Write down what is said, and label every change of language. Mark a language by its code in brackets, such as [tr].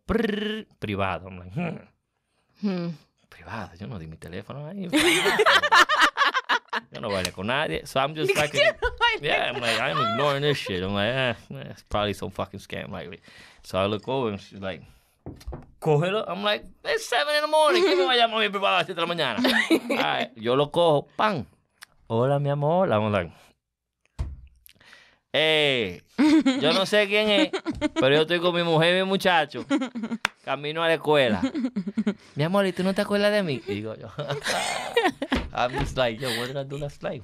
[es] Brrr, privado. [en] I'm like, [es] Privado. Yo no di mi teléfono ahí. Yo no bailé con nadie. [en] So I'm just fucking. Yeah, I'm like, I'm ignoring this shit. I'm like, it's probably some fucking scam. Like, so I look over, and she's like, [es] cógelo. [en] I'm like, it's 7 in the morning. [es] ¿Qué me va a llamar mi privado a 7 de la mañana? [en] All right. [es] Yo lo cojo. Pan. Hola, mi amor. [en] I'm like, [es] yo no sé quién es, pero yo estoy con mi mujer y mi muchacho. Camino a la escuela. Mi amor, ¿y tú no te acuerdas de mí? Y digo yo. [en] I'm just like, yo, what did I do last night?